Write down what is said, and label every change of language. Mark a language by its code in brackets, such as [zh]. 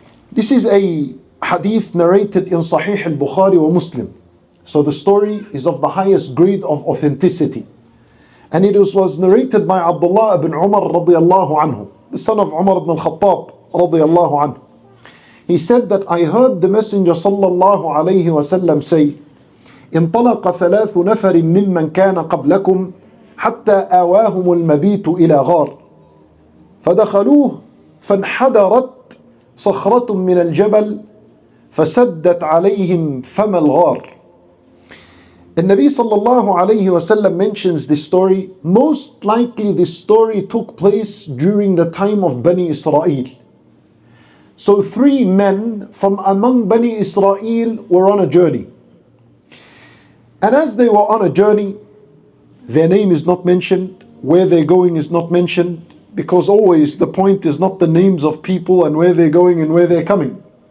[en] This is a hadith narrated in Sahih al-Bukhari wa Muslim. So the story is of the highest grade of authenticity. And it was narrated by Abdullah ibn Umar radiallahu anhu, the son of Umar ibn al-Khattab radiallahu anhu. He said that I heard the Messenger sallallahu alayhi wa sallam say, [ar] انطلَقَ ثَلَاثُ نَفَرٍ مِّمَّنْ كَانَ قَبْلَكُمْ حَتَّى آوَاهُمُ الْمَبِيتُ إِلَى غَارٍ فَدَخَلُوهُ فَانْحَدَرَتْ صخرة من الجبل فسدت عليهم فم الغار. النبي صلى الله عليه وسلم [en] mentions this story. Most likely this story took place during the time of Bani Israel. So three men from among Bani Israel were on a journey. And as they were on a journey, their name is not mentioned, where they're going is not mentioned, because always the point is not the names of people and where they're going and where they're coming.